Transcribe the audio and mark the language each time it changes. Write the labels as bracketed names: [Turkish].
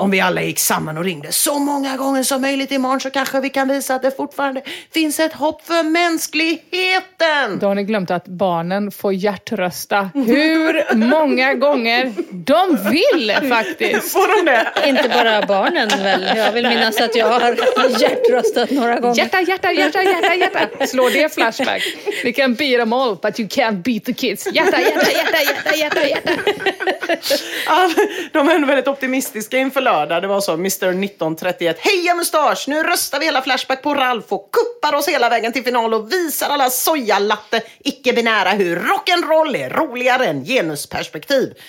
[Swedish] Om vi alla gick samman och ringde så många gånger som möjligt imorgon så kanske vi kan visa att det fortfarande finns ett hopp för mänskligheten. Då har ni glömt att barnen får hjärtrösta hur många gånger de vill faktiskt. Får de det? Inte bara barnen väl? Jag vill minnas att jag har hjärtröstat några gånger. Hjärta. Slå det Flashback. [English] You can beat them all, but you can't beat the kids. [Swedish] Hjärta. De är väldigt optimistiska inför lördag. Det var så, Mr. 1931. Heja Mustasch, nu röstar vi hela Flashback på Ralf och kuppar oss hela vägen till final och visar alla sojalatte icke-binära hur rock'n'roll är roligare än genusperspektiv.